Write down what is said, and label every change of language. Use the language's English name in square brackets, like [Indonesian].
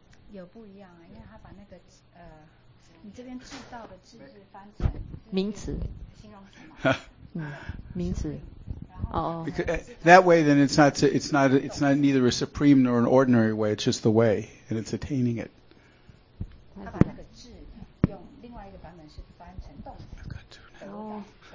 [Chinese] 有不一样啊，因为他把那个你这边制造的字是翻成名词，形容词嘛。名词。 [English] Because that way, then it's not neither a supreme nor an ordinary way. It's just the way, and it's attaining it. [Chinese] 他把那个字用另外一个版本是翻成动词。